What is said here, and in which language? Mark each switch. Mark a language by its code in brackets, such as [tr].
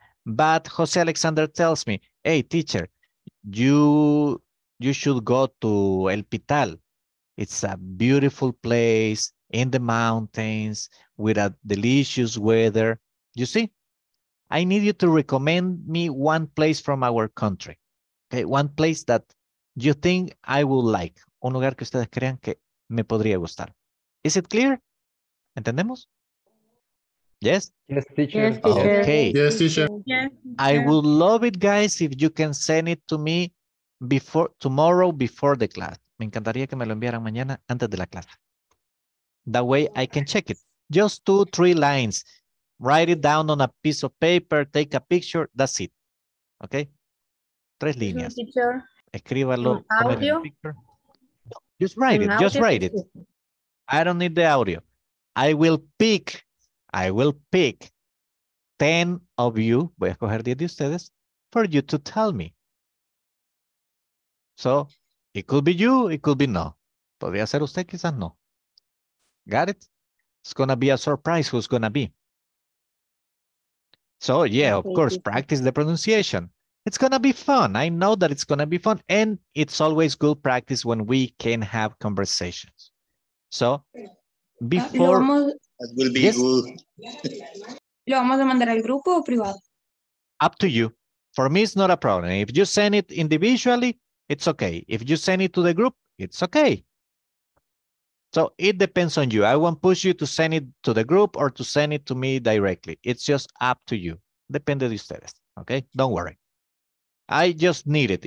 [en] But Jose Alexander tells me, hey, teacher, you should go to El Pital. It's a beautiful place in the mountains with a delicious weather. You see, I need you to recommend me one place from our country. Okay, one place that you think I would like. [es] Un lugar que ustedes crean que me podría gustar. [en] Is it clear? [es] ¿Entendemos? [en] Yes? Yes, teacher. Yes, teacher. Okay. Yes, teacher. I would love it, guys, if you can send it to me before the class. [es] Me encantaría que me lo enviaran mañana antes de la clase. [en] That way I can check it. Just two, three lines. Write it down on a piece of paper. Take a picture. That's it. Okay? [es] Tres líneas. Escríbalo. [en] Audio. Just write it. Just write it. I don't need the audio. I will pick 10 of you. [es] Voy a escoger 10 de ustedes [en] for you to tell me. So, it could be you, it could be no. [es] Podría ser usted, quizás no. [en] Got it? It's going to be a surprise who's going to be. So, yeah, of course, practice the pronunciation. It's going to be fun. I know that it's going to be fun. And it's always good practice when we can have conversations. So, before... That will be yes. Good. [es] ¿Lo vamos a mandar al grupo o privado? [en] Up to you. For me, it's not a problem. If you send it individually, it's okay. If you send it to the group, it's okay. So it depends on you. I won't push you to send it to the group or to send it to me directly. It's just up to you. [es] Depende de ustedes. [en] Okay? Don't worry. I just need it.